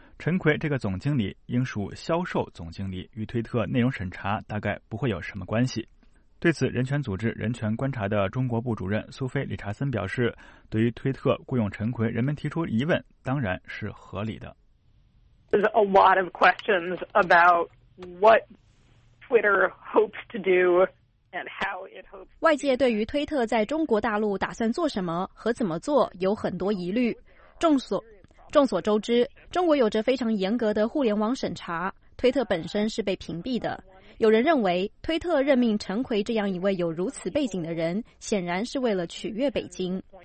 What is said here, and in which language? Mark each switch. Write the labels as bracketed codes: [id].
[zh] 陈奎这个总经理应属销售总经理，与推特内容审查大概不会有什么关系。对此，人权组织人权观察的中国部主任苏菲·理查森表示，对于推特雇佣陈奎，人们提出疑问当然是合理的。 [en] There's a lot of questions about what Twitter hopes to do and how it hopes. [zh] 外界对于推特在中国大陆打算做什么和怎么做有很多疑虑。众所周知，中国有着非常严格的互联网审查，推特本身是被屏蔽的。有人认为，推特任命陈奎这样一位有如此背景的人，显然是为了取悦北京。